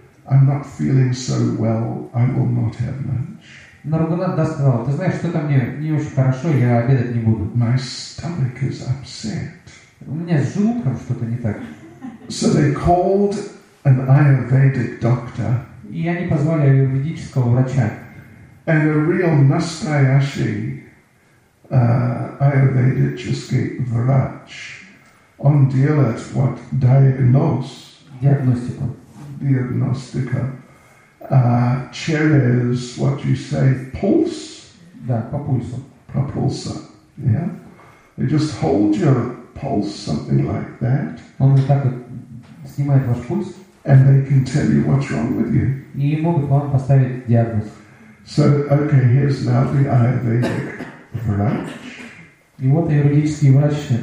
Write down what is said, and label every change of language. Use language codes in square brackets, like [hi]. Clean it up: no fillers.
[en] I'm not feeling so well, I will not have lunch. [ru] Но Рагунат Дас сказал, ты знаешь, что-то мне не очень хорошо, я обедать не буду. [en] My stomach is upset. [ru] У меня с желудком что-то не так. [en] So they called an Ayurvedic doctor. [ru] И они позвали аюрведического врача. [en] And a real [ru] настоящий аюрведический врач. Он делает вот диагностику. Диагностика. Через, [en] what you say, pulse? [ru] Да, по пульсу. По пульсу, [en] yeah. They just hold your pulse, something like that. [ru] Он вот так вот снимает ваш пульс. [en] And they can tell you what's wrong with you. [ru] И могут вам поставить диагноз. [en] So, okay, here's now the Ayurvedic врач. [ru] И вот аюрведический врач.